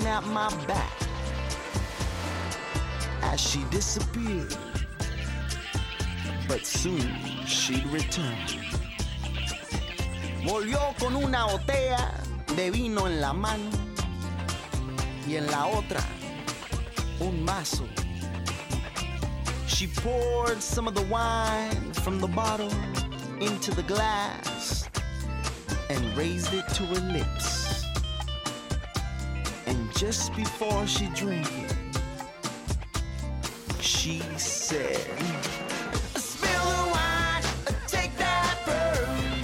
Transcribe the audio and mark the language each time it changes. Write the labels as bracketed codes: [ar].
[en] My back as she disappeared, but soon she'd return. [es] Volvió con una botella de vino en la mano y en la otra un mazo. [en] She poured some of the wine from the bottle into the glass and raised it to her lips. Just before she drank it, she said, spill the wine, take that burn.